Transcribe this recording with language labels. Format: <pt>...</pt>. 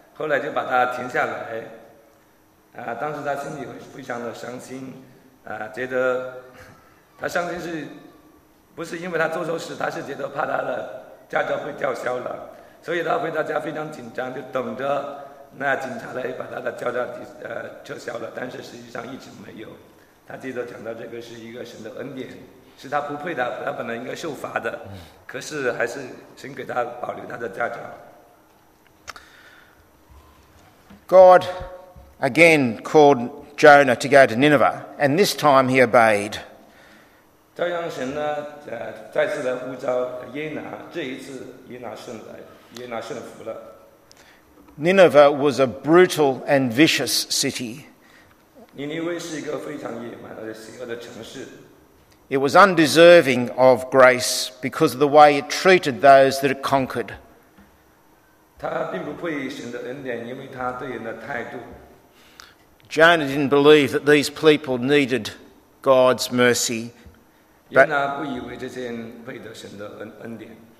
<zh>后来就把他停下来。啊，当时他心里非常的伤心，啊，觉得他伤心是不是因为他做错事，他是觉得怕他的驾照会吊销了，所以他回到家非常紧张，就等着那警察来把他的驾照撤销了，但是实际上一直没有。他记得讲到这个是一个神的恩典，是他不配的，他本来应该受罚的，可是还是神给他保留他的驾照。</zh> <en>God again called Jonah to go to Nineveh, and this time he obeyed.</en> <zh>照样神呢，再次来呼召耶拿，这一次耶拿顺服了。</zh> <en>Nineveh was a brutal and vicious city.</en> <zh>Nineveh 是一个非常野蛮而且邪恶的城市。</zh> <en>It was undeserving of grace because of the way it treated those that it conquered.</en> <zh>他并不配神的恩典，因为他对人的态度。</zh> <en>Jonah didn't believe that these people needed God's mercy.</en> <zh>耶拿不以为这些人配得神的恩典。</zh>